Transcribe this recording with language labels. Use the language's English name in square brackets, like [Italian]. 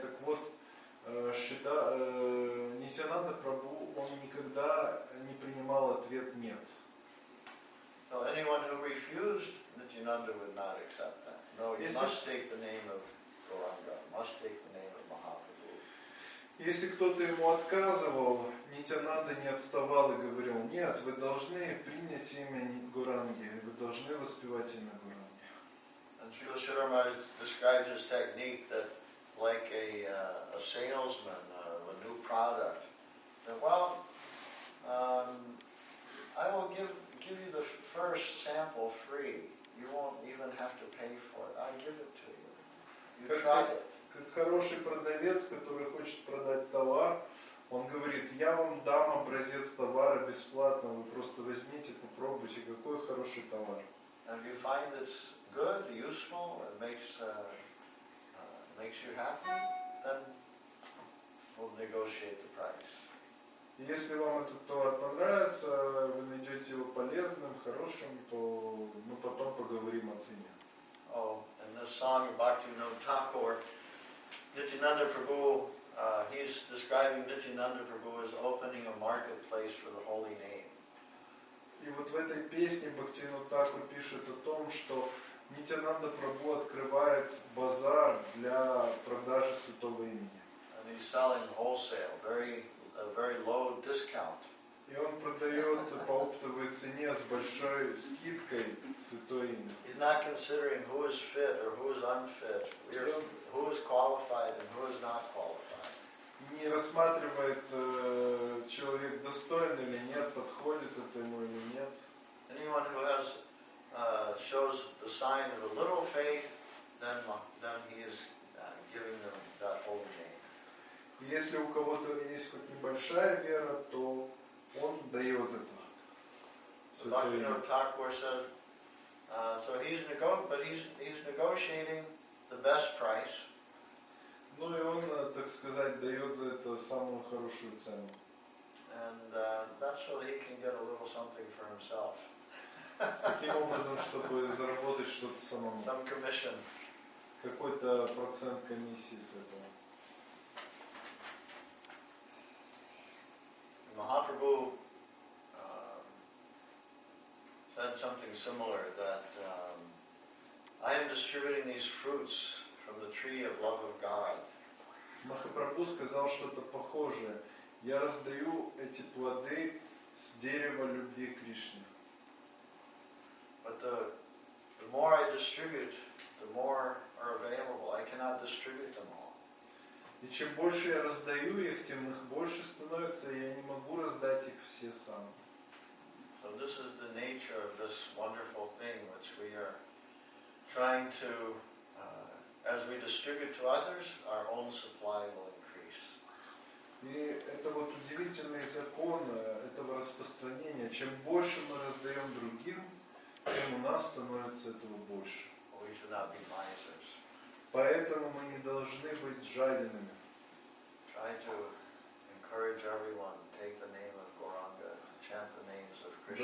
[Russian] Так вот, Нитянанда Прабху, он никогда не принимал ответ «нет». [English] Well, anyone who refused, Nityananda would not accept that. No, you must take the name of Gauranga, must take the name of Mahaprabhu. [Russian] Если кто-то ему отказывал, Нитянанда не отставал и говорил, нет, вы должны принять имя Гуранги, вы должны воспевать имя Гуранги. [English] And Srila Sridhar Maharaj described his technique that like a salesman of a new product, that well, I will give you the first sample free. You won't even have to pay for it. I give it to you. You try it. [Russian] Как хороший продавец, который хочет продать товар, он говорит, я вам дам образец товара бесплатно, вы просто возьмите, попробуйте, какой хороший товар. [English] And if you find it's good, useful, it makes, makes you happy, then we'll negotiate the price. [Russian] И если вам этот товар понравится, вы найдете его полезным, хорошим, то мы потом поговорим о цене. [English] Oh, and this song Bhaktivinoda Thakur, Nityananda Prabhu, he's describing Nityananda Prabhu as opening a marketplace for the holy name. [Russian] И вот в этой песне Бхактивинода Тхакур пишет о том, что Нитянанда Прабху открывает базар для продажи святого имени. [English] And he's selling wholesale, a very low discount. [Russian] И он продает по оптовой цене с большой скидкой святое имя. [English] He's not considering who is fit or who is unfit. Who is qualified and who is not qualified. [Russian] Не рассматривает, человек достойный или нет, подходит это ему или нет. [English] Anyone who has, shows the sign of a little faith, then he is giving them that holy name. [Russian] Если у кого-то есть хоть небольшая вера, то он дает это. [English] So Bhaktivinoda Thakur said, so he's negotiating the best price. [Russian] Ну и он, так сказать, дает за это самую хорошую цену. [English] And that's so he can get a little something for himself. [Russian] Таким образом, чтобы заработать что-то самому. [English] Some commission. [Russian] Какой-то процент комиссии с этого. [English] Mahaprabhu said something similar, that I am distributing these fruits from the tree of love of God. [Russian] Махапрабху сказал что-то похожее. Я раздаю эти плоды с дерева любви Кришны. [English] But the more I distribute, the more are available. I cannot distribute them all. [Russian] И чем больше я раздаю их, тем их больше становится, и я не могу раздать их все сам. [English] So this is the nature of this wonderful thing which we are trying to, as we distribute to others, our own supply will increase. [Russian] И это вот удивительный закон этого распространения. Чем больше мы раздаем другим, тем у нас становится этого больше. [English] We should not be misers. [Russian] Поэтому мы не должны быть жадными. [English] Try to encourage everyone, take the name of Gauranga, chant the names of Krishna.